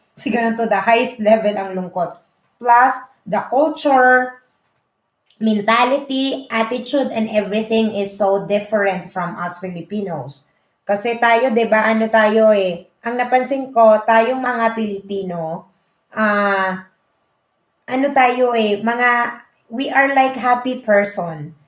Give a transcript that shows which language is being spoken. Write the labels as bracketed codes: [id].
[tl] Kasi ganun to, [en] the highest level [tl] ang lungkot. [en] Plus, the culture, mentality, attitude, and everything is so different from us Filipinos. [tl] Kasi tayo, di ba, ano tayo eh, ang napansin ko, tayong mga Pilipino, ano tayo eh, mga, [en] we are like happy person.